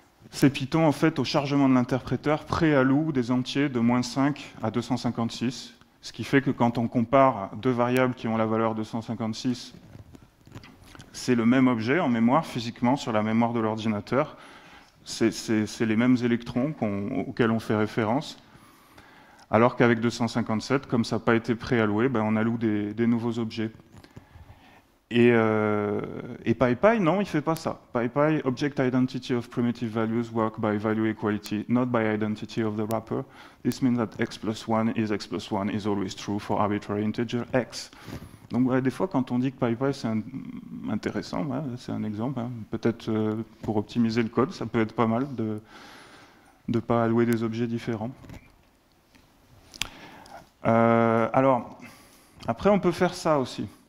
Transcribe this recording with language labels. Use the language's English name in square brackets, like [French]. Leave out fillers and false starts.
[French] Ces Python, en fait, au chargement de l'interpréteur, préalloue des entiers de moins 5 à 256, ce qui fait que quand on compare deux variables qui ont la valeur 256, c'est le même objet en mémoire, physiquement, sur la mémoire de l'ordinateur. C'est les mêmes électrons auxquels on fait référence. Alors qu'avec 257, comme ça n'a pas été préalloué, ben on alloue des nouveaux objets. Et PyPy, non, il ne fait pas ça. [English] PyPy, Object Identity of Primitive Values Work by Value Equality, not by Identity of the Wrapper. This means that x plus 1 is always true for arbitrary integer x. [French] Donc ouais, des fois, quand on dit que PyPy, c'est intéressant, ouais, c'est un exemple, hein. Peut-être pour optimiser le code, ça peut être pas mal de ne pas allouer des objets différents. Alors, après, on peut faire ça aussi.